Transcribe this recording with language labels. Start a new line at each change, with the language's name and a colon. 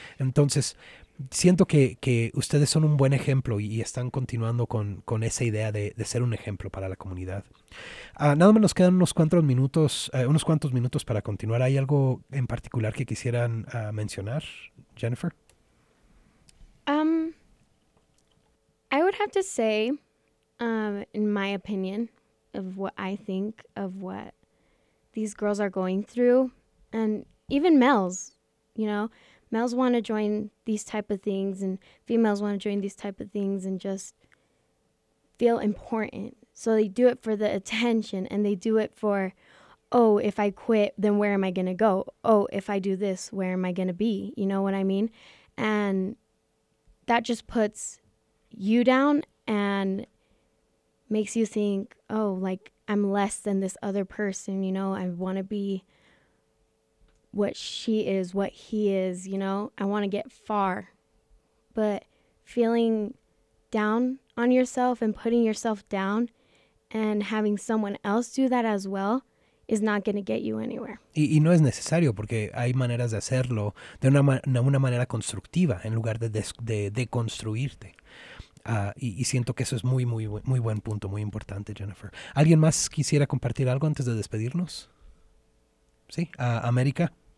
Spanish: Entonces, siento que ustedes son un buen ejemplo y están continuando con esa idea de ser un ejemplo para la comunidad. Nada más nos quedan unos cuantos minutos para continuar. ¿Hay algo en particular que quisieran mencionar, Jennifer?
English: I would have to say, in my opinion, of what I think of what these girls are going through. And even males, you know, males want to join these type of things and females want to join these type of things and just feel important. So they do it for the attention and they do it for, oh, if I quit, then where am I going to go? Oh, if I do this, where am I going to be? You know what I mean? And that just puts you down and makes you think, oh, like I'm less than this other person, you know? I want to be what she is, what he is, you know? I want to get far. But feeling down on yourself and putting yourself down and having someone else do that as well is not going to get you anywhere.
Spanish: Y no es necesario porque hay maneras de hacerlo de una manera constructiva en lugar de deconstruirte. Y siento que eso es muy, muy, muy buen punto, muy importante, Jennifer. ¿Alguien más quisiera compartir algo antes de despedirnos? Sí, América.